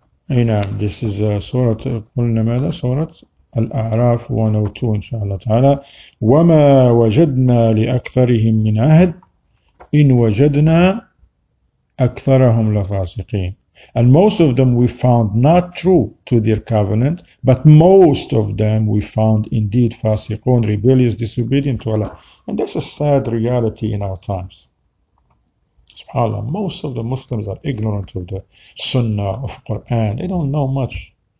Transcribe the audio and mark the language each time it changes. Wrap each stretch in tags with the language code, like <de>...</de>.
<ar>نعم,</ar> <en>this is</en> <ar>سورة قلنا ماذا سورة الأعراف 102 إن شاء الله تعالى. وما وجدنا لأكثرهم من عهد إن وجدنا أكثرهم لفاسقين.</ar> <en>And most of them we found not true to their covenant, but most of them we found indeed fasiqun, rebellious, disobedient to Allah. And that's a sad reality in our times. SubhanAllah, most of the Muslims are ignorant of the Sunnah of Quran. They don't know much.</en>